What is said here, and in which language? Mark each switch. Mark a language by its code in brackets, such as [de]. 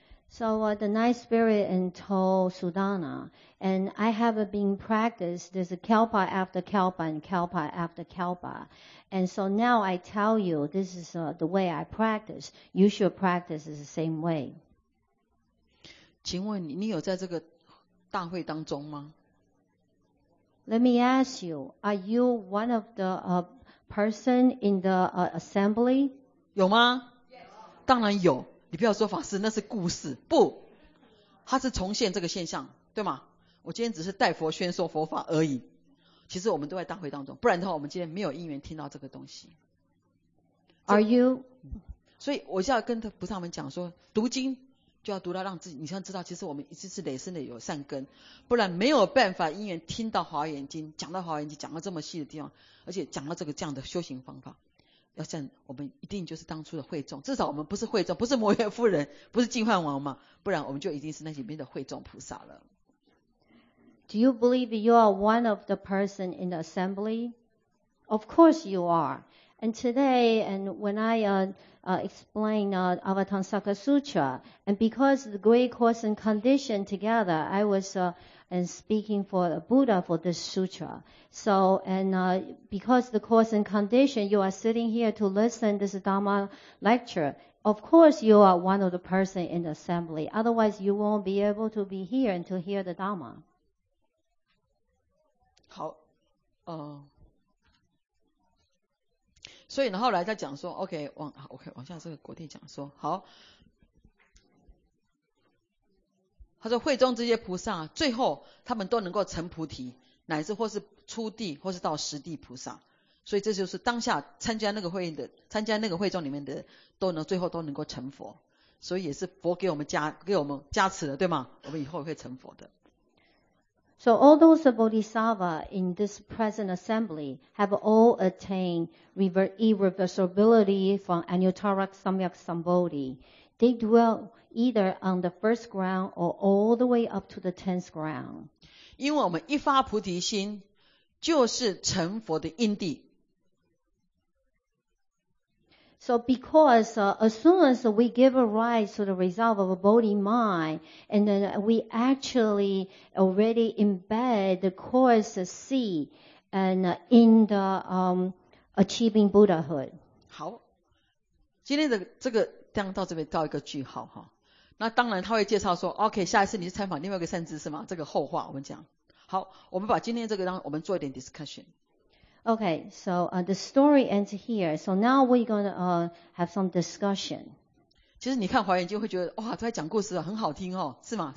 [en] So the night spirit and told Sudana, and I have been practiced this kalpa after kalpa and kalpa after kalpa. And so now I tell you, this is the way I practice. You should practice the same way. [zh] 请问你有在这个大会当中吗？ [en] Let me ask you, are you one of the person in the assembly? [zh] 有吗？当然有。你不要说法师，那是故事，不，他是重现这个现象，对吗？我今天只是代佛宣说佛法而已。其实我们都在大会当中，不然的话，我们今天没有因缘听到这个东西。 [en] Are you？ [zh] 所以我就要跟菩萨们讲说，读经就要读到让自己，你像知道，其实我们一直是累生的有善根，不然没有办法因缘听到华严经，讲到华严经，讲到这么细的地方，而且讲到这个这样的修行方法。要像我们一定就是当初的会众，至少我们不是会众，不是摩耶夫人，不是净饭王嘛，不然我们就一定是那里面的会众菩萨了。 [en] Do you believe you are one of the person in the assembly? Of course you are. And today, and when I explain Avatamsaka Sutra, and because the great course and condition together, I was and speaking for a Buddha for this sutra. So, and because the course and condition, you are sitting here to listen this Dharma lecture. Of course, you are one of the person in the assembly. Otherwise, you won't be able to be here and to hear the Dharma. [zh] 好，所以然后来再讲说 ，OK， 往 OK 往下这个国地讲说，好。他说会中这些菩萨最后他们都能够成菩提，乃至或是初地或是到十地菩萨，所以这就是当下参加那个会议的参加那个会中里面的都能最后都能够成佛，所以也是佛给我们加持的，对吗？我们以后也会成佛的。 [en] So all those bodhisattva in this present assembly have all attained irreversibility from Anuttarak Samyak Sambodhi. They dwellEither on the first ground or all the way up to the tenth ground. [zh] 因为我们一发菩提心，就是成佛的因地。 [en] So because as soon as we give a rise to the resolve of a Bodhi mind, and then we actually already embed the course of seed and in the achieving Buddhahood. [zh] 好，今天的这个这样到这边到一个句号哈。那当然他会介绍说 OK 下一次你去参访另外一个善知识嘛，这个后话我们讲。好，我们把今天这个让我们做一点 discussion。 [en] Okay, so the story ends here. So now we're going to have some discussion. [zh] 其实你看华严经会觉得哇，都在讲故事了，很好听哦，是吗？